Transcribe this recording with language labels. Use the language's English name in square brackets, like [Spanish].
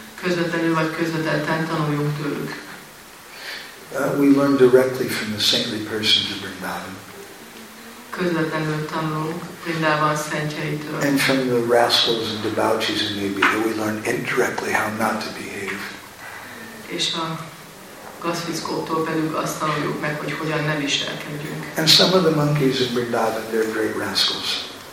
[Hungarian] Közvetlenül vagy közvetetten tanuljunk tőlük. [English] We learn directly from the saintly persons of Vrindavan. [Hungarian] Közvetlenül tanulunk Vrindavan szentjeitől. [English] And from the rascals and debauchees in Nibbana, we learn indirectly how not to behave. [Hungarian] És a gazfickótól pedig azt tanuljuk meg, hogy hogyan ne viselkedjünk. [English] And some of the monkeys in Vrindavan, they're great rascals.